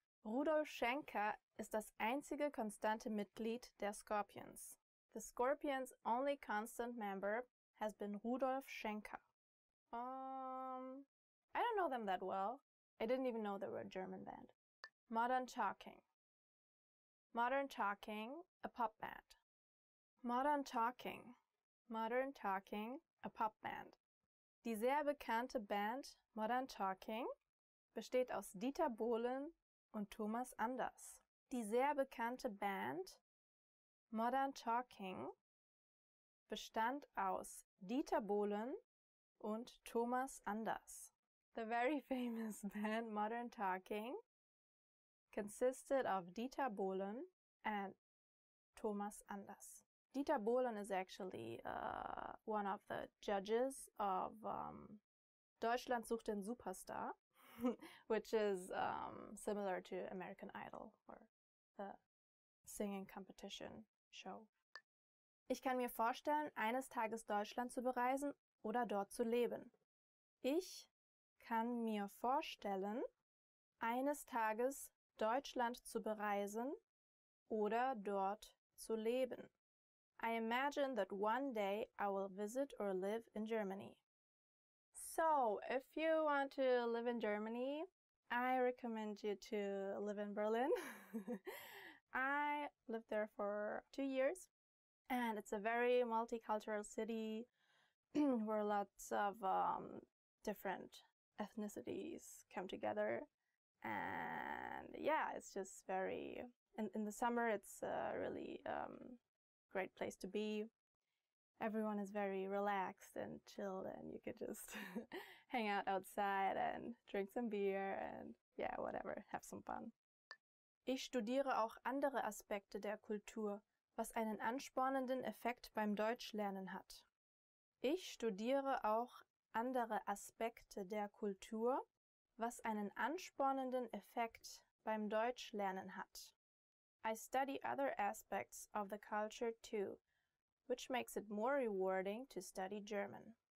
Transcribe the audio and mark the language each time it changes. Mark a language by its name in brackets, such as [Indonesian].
[German] Rudolf Schenker ist das einzige konstante Mitglied der Scorpions. [English] The Scorpions' only constant member has been Rudolf Schenker. I don't know them that well. I didn't even know they were a German band. Modern Talking. Modern Talking, a pop band. Modern Talking. Modern Talking, a pop band. [German] Die sehr bekannte Band Modern Talking besteht aus Dieter Bohlen und Thomas Anders. Die sehr bekannte Band Modern Talking bestand aus Dieter Bohlen und Thomas Anders. [English] The very famous band Modern Talking consisted of Dieter Bohlen and Thomas Anders. Dieter Bohlen is actually one of the judges of Deutschland sucht den Superstar, which is similar to American Idol or the singing competition show. [German] Ich kann mir vorstellen, eines Tages Deutschland zu bereisen oder dort zu leben. Ich kann mir vorstellen, eines Tages Deutschland zu bereisen oder dort zu leben. [English] I imagine that one day I will visit or live in Germany. So, if you want to live in Germany, I recommend you to live in Berlin. I lived there for 2 years, and it's a very multicultural city where lots of different ethnicities come together. And yeah, it's just very, in the summer it's a really great place to be. Everyone is very relaxed and chilled, and you could just hang out outside and drink some beer and yeah, whatever, have some fun. [German] Ich studiere auch andere Aspekte der Kultur, was einen anspornenden Effekt beim Deutschlernen hat. Ich studiere auch andere Aspekte der Kultur, was einen anspornenden Effekt beim Deutschlernen hat. [English] I study other aspects of the culture too, which makes it more rewarding to study German.